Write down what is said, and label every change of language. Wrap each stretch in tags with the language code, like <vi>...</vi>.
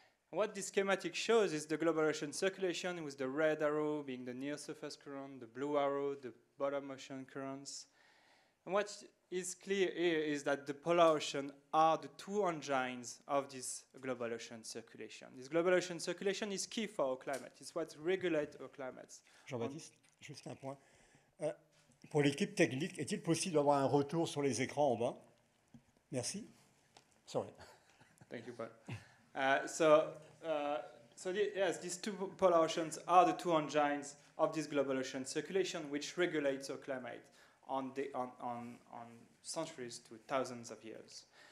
<en>What this schematic shows is the global ocean circulation with the red arrow being the near surface current, the blue arrow, the bottom ocean currents. And what is clear here is that the polar ocean are the two engines of this global ocean circulation. This global ocean circulation is key for our climate. It's what regulates our climates.</en> <fr>Jean-Baptiste, juste un point. Pour l'équipe technique, est-il possible d'avoir un retour sur les écrans en bas? Merci.</fr> <en>Sorry. Thank you, Paul. These two polar oceans are the two engines of this global ocean circulation, which regulates our climate on centuries to thousands of years.</en>